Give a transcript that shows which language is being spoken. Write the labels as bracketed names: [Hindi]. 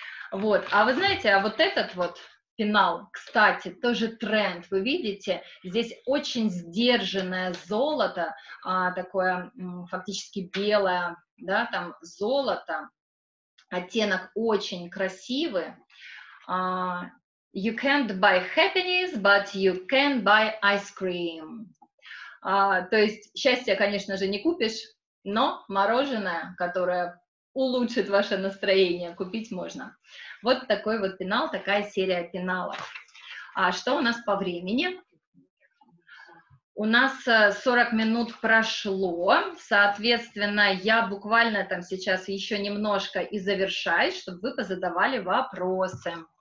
[Russian] Вот, а вы знаете, а вот этот вот пенал, кстати, тоже тренд, вы видите, здесь очень сдержанное золото, такое фактически белое, да, там золото, оттенок очень красивый. [English] You can't buy happiness, but you can buy ice cream. [Russian] То есть счастье, конечно же, не купишь, но мороженое, которое улучшит ваше настроение, купить можно. Вот такой вот пенал, такая серия пеналов. А что у нас по времени? У нас 40 минут прошло, соответственно, я буквально там сейчас еще немножко и завершаю, чтобы вы позадавали вопросы.